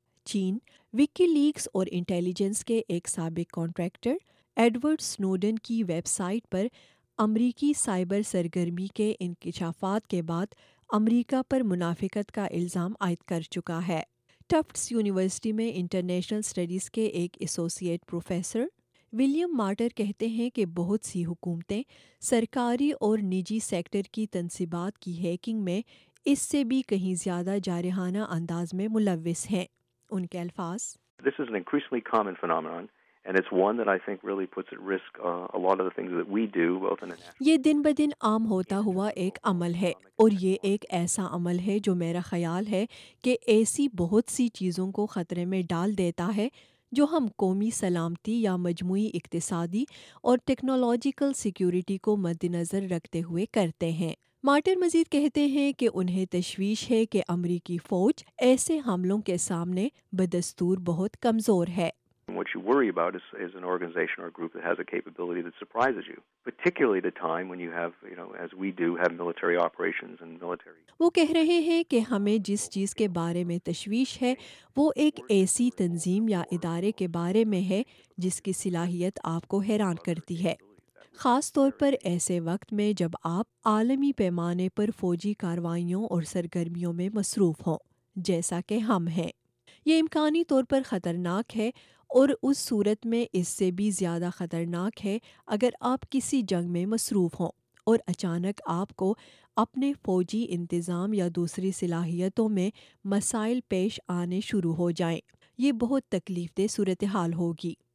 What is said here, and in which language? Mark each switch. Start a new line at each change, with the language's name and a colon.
Urdu: چین وکی leaks اور intelligence کے ایک سابق کانٹریکٹر ایڈورڈ سنوڈن کی ویب سائٹ پر امریکی سائبر سرگرمی کے انکشافات کے بعد امریکہ پر منافقت کا الزام عائد کر چکا ہے۔ ٹفٹس یونیورسٹی میں انٹرنیشنل اسٹڈیز کے ایک ایسوسیٹ پروفیسر ولیم مارٹر کہتے ہیں کہ بہت سی حکومتیں سرکاری اور نجی سیکٹر کی تنصیبات کی ہیکنگ میں اس سے بھی کہیں زیادہ جارحانہ انداز میں ملوث ہیں۔ ان کے الفاظ،
English: This is an increasingly common phenomenon. And it's one that I think really puts at risk a lot of the things that we do both in international.
Urdu: یہ دن بدن عام ہوتا ہوا ایک عمل ہے، اور یہ ایک ایسا عمل ہے جو میرا خیال ہے کہ ایسی بہت سی چیزوں کو خطرے میں ڈال دیتا ہے جو ہم قومی سلامتی یا مجموعی اقتصادی اور ٹیکنالوجیکل سیکیورٹی کو مد نظر رکھتے ہوئے کرتے ہیں۔ مارٹر مزید کہتے ہیں کہ انہیں تشویش ہے کہ امریکی فوج ایسے حملوں کے سامنے بدستور بہت کمزور ہے۔
English: What you worry about is an organization or a group that has a capability that surprises you, particularly at a time when you have, you know, as we do, have military operations and military.
Urdu: وہ کہہ رہے ہیں کہ ہمیں جس چیز کے بارے میں تشویش ہے وہ ایک ایسی تنظیم یا ادارے کے بارے میں ہے جس کی صلاحیت آپ کو حیران کرتی ہے، خاص طور پر ایسے وقت میں جب آپ عالمی پیمانے پر فوجی کاروائیوں اور سرگرمیوں میں مصروف ہوں جیسا کہ ہم ہیں۔ یہ امکانی طور پر خطرناک ہے، اور اس صورت میں اس سے بھی زیادہ خطرناک ہے اگر آپ کسی جنگ میں مصروف ہوں اور اچانک آپ کو اپنے فوجی انتظام یا دوسری صلاحیتوں میں مسائل پیش آنے شروع ہو جائیں۔ یہ بہت تکلیف دہ صورتحال ہوگی۔